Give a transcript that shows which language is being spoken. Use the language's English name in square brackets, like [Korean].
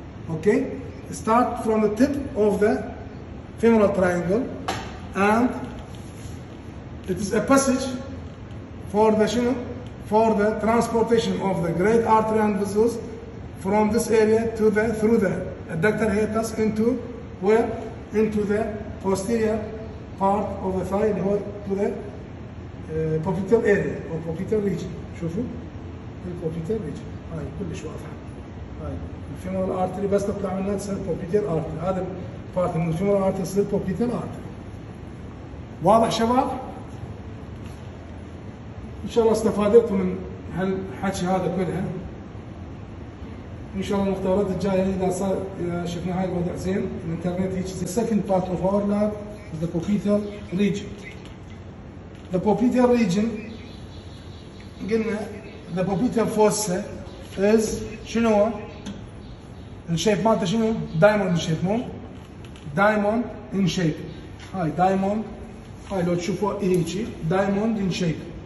[English] Okay start from the tip of the femoral triangle and it is a passage for the channel for the transportation of the great artery and vessels from this area to the through the adductor hiatus into where into the posterior part of the thigh to the popliteal area or popliteal region. [Arabic] شوفوا [English] the popliteal region [Arabic] هاي كلش واضحة. هاي الفيمورال artery بس تطلع منها تصير popliteal artery. هذا part من الفيمورال artery تصير popliteal artery. واضح شباب؟ ان شاء الله استفادتوا من هالحكي هذا كلها. ان شاء الله المختبرات الجايه اذا صار شفنا هاي الوضع زين الانترنت هيك. [English] The second part of our lab is the popliteal region. The popliteal region [Arabic] قلنا [English] the popliteal fossa is [Arabic] شنو هو؟ الشيب مالته شنو؟ دايموند شيب مو؟ دايموند ان شيب. هاي دايموند، هاي لو تشوفوها هيك دايموند ان شيب.